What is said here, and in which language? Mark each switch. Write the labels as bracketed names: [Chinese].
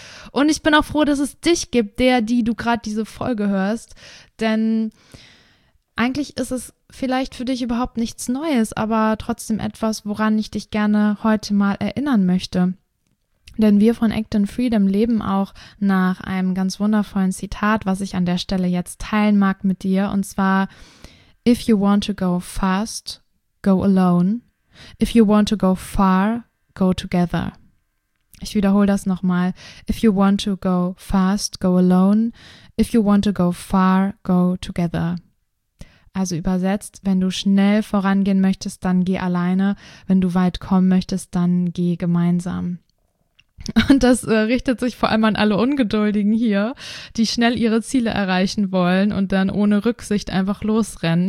[German] Und ich bin auch froh, dass es dich gibt, die du gerade diese Folge hörst, denn eigentlich ist es vielleicht für dich überhaupt nichts Neues, aber trotzdem etwas, woran ich dich gerne heute mal erinnern möchte. Denn wir von Act in Freedom leben auch nach einem ganz wundervollen Zitat, was ich an der Stelle jetzt teilen mag mit dir. Und zwar, [English] if you want to go fast, go alone. If you want to go far, go together. [German] Ich wiederhole das nochmal. [English] If you want to go fast, go alone. If you want to go far, go together. [German] Also übersetzt, wenn du schnell vorangehen möchtest, dann geh alleine. Wenn du weit kommen möchtest, dann geh gemeinsam. Und das richtet sich vor allem an alle Ungeduldigen hier, die schnell ihre Ziele erreichen wollen und dann ohne Rücksicht einfach losrennen.